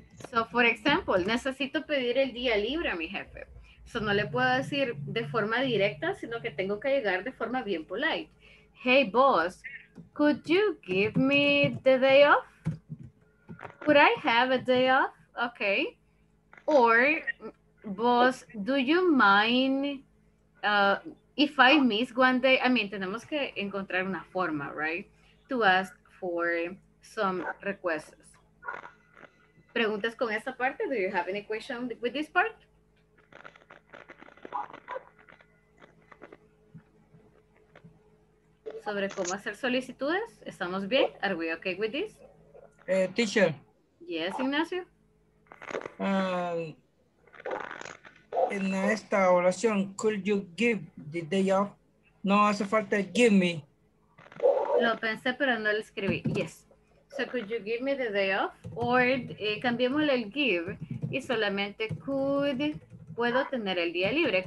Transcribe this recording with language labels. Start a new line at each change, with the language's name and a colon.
English: So, for example,
Spanish: necesito pedir el día libre a mi jefe. So, no le puedo decir de forma directa, sino que tengo que llegar de forma bien polite.
English: Hey, boss, could you give me the day off? Could I have a day off? Okay. Or, boss, do you mind if I miss one day? I mean,
Spanish: tenemos que encontrar una forma,
English: right? To ask for some requests.
Spanish: ¿Preguntas con esta parte?
English: Do you have any question with this part?
Spanish: ¿Sobre cómo hacer solicitudes? ¿Estamos bien?
English: Are we okay with this? Teacher. Yes, Ignacio.
Spanish: En esta oración,
English: could you give the day off?
Spanish: No hace falta
English: give me.
Spanish: Lo pensé, pero no lo escribí. Yes.
English: So, could you give me the day off?
Spanish: Or, cambiémosle el give y solamente puedo tener el día libre.